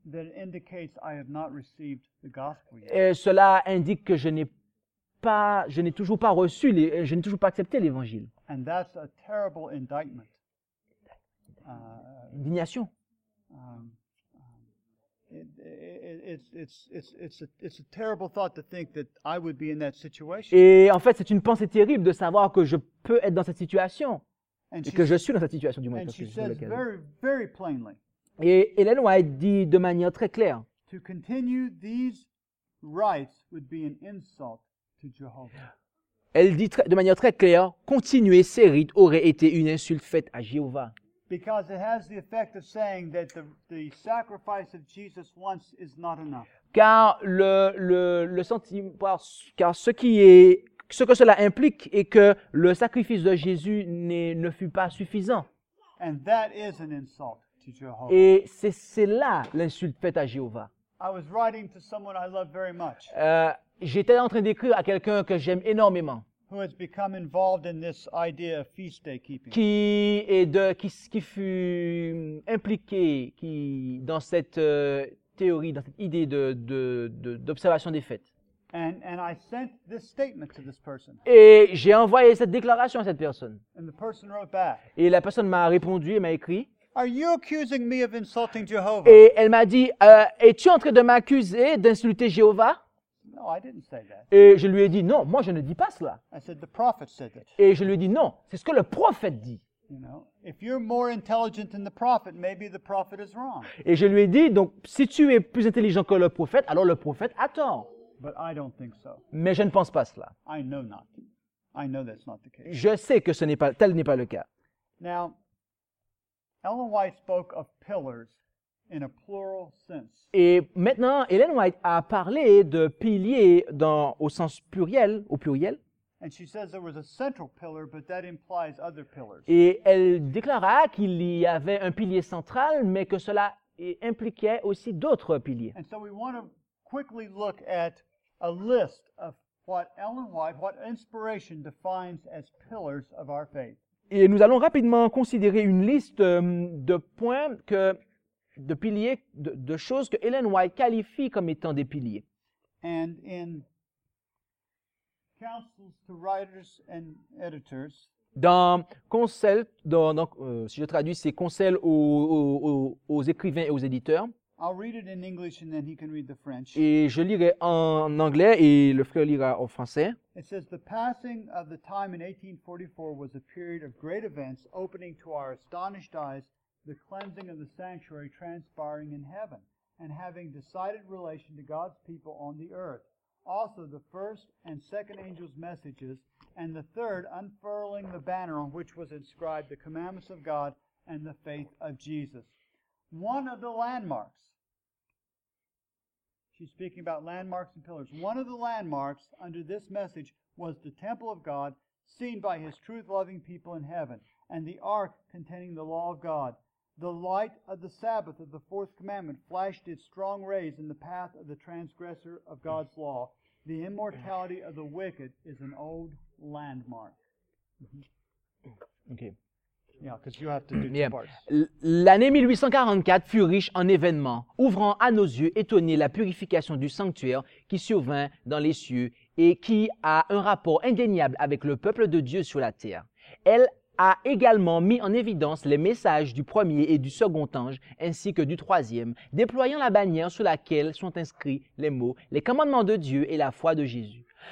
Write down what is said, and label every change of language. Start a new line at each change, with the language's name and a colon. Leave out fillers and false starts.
English: That indicates I have not received the gospel yet.
French: Et cela indique que je n'ai toujours pas accepté l'évangile.
English: And that's a terrible indictment.
French: Indignation.
English: It's a terrible thought to think that I would be in that situation.
French: Et en fait, c'est une pensée terrible de savoir que je peux être dans cette situation et que je suis dans cette situation du moins.
English: And she says very, very plainly.
French: Et Ellen White dit de manière très claire.
English: To continue these rites would be an insult to Jehovah.
French: Elle dit de manière très claire, continuer ces rites aurait été une insulte faite à Jéhovah.
English: Because it has the effect of saying that the sacrifice of Jesus once is not enough.
French: Car le sentiment, car ce qui est ce que cela implique est que le sacrifice de Jésus ne fut pas suffisant.
English: And that is an insult to Jehovah.
French: Et c'est là l'insulte faite à Jéhovah.
English: I was writing to someone I love very much.
French: J'étais en train d'écrire à quelqu'un que j'aime énormément.
English: Who has become involved in this idea of feast day keeping?
French: Qui fut impliqué dans cette théorie, dans cette idée d'observation des fêtes?
English: And I sent this statement to this person.
French: Et j'ai envoyé cette déclaration à cette personne.
English: And the person wrote back.
French: Et la personne m'a répondu et m'a écrit.
English: Are you accusing me of insulting Jehovah?
French: Et elle m'a dit, es-tu en train de m'accuser d'insulter Jéhovah?
English: No, I didn't say that.
French: Et je lui ai dit non, moi je ne dis pas cela.
English: I said, the prophet said it.
French: Et je lui ai dit non, c'est ce que le prophète dit.
English: You know, if you're more intelligent than the prophet, maybe the prophet is wrong.
French: Et je lui ai dit donc si tu es plus intelligent que le prophète, alors le prophète a tort.
English: But I don't think so.
French: Mais je ne pense pas cela.
English: I know not. I know that's not the case.
French: Je sais que tel n'est pas le cas.
English: Now, Ellen White spoke of pillars. In a plural sense.
French: Et maintenant, Ellen White a parlé de piliers au sens pluriel, au pluriel.
English: And she says there was a central pillar, but that implies other pillars.
French: Et elle déclara qu'il y avait un pilier central, mais que cela impliquait aussi d'autres piliers.
English: And so we want to quickly look at a list of what Ellen White, what inspiration defines as pillars of our faith.
French: Et nous allons rapidement considérer une liste de points que de piliers, de choses que Ellen White qualifie comme étant des piliers.
English: And in counsels to writers and editors,
French: dans conseil, dans, donc, si je traduis, c'est conseil aux écrivains et aux éditeurs.
English: I'll read it in English and then he can read the French.
French: Et je lirai en anglais et le frère lira en français.
English: It says the passing of the time in 1844 was a period of great events opening to our astonished eyes the cleansing of the sanctuary transpiring in heaven and having decided relation to God's people on the earth. Also the first and second angels' messages and the third unfurling the banner on which was inscribed the commandments of God and the faith of Jesus. One of the landmarks, she's speaking about landmarks and pillars. One of the landmarks under this message was the temple of God seen by his truth-loving people in heaven and the ark containing the law of God. The light of the Sabbath of the fourth commandment flashed its strong rays in the path of the transgressor of God's law. The immortality of the wicked is an old landmark. Mm-hmm. Okay. Yeah, because you have to do two parts.
French: L'année 1844 fut riche en événements, ouvrant à nos yeux étonnés la purification du sanctuaire qui survint dans les cieux et qui a un rapport indéniable avec le peuple de Dieu sur la terre. Elle a également mis en évidence les messages du premier et du second ange, ainsi que du troisième, déployant la bannière sous laquelle sont inscrits les mots, les commandements de Dieu et la foi de Jésus.